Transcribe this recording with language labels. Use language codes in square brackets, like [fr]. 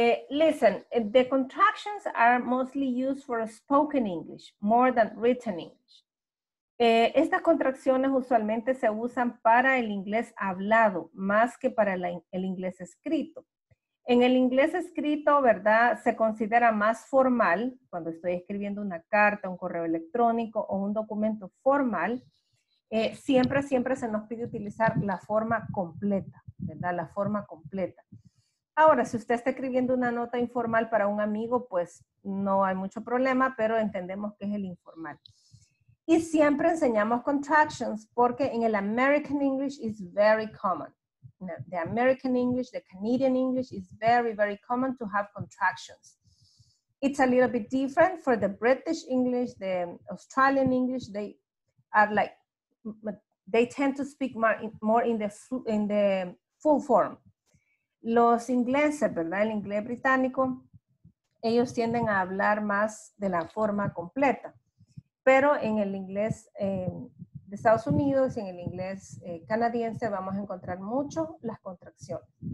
[en] Listen, the contractions are mostly used for spoken English, more than written English. [es] Estas contracciones usualmente se usan para el inglés hablado, más que para el inglés escrito. En el inglés escrito, ¿verdad? Se considera más formal, cuando estoy escribiendo una carta, un correo electrónico o un documento formal, siempre se nos pide utilizar la forma completa, ¿verdad? La forma completa. Ahora, si usted está escribiendo una nota informal para un amigo, pues no hay mucho problema, pero entendemos que es el informal. Y siempre enseñamos contractions porque en el American English [en] is very common. No, the American English, the Canadian English is very, very common to have contractions. It's a little bit different for the British English, the Australian English. They are like, they tend to speak more in the full form. [es] Los ingleses, ¿verdad? El inglés británico, ellos tienden a hablar más de la forma completa. Pero en el inglés de Estados Unidos y en el inglés canadiense vamos a encontrar mucho las contracciones.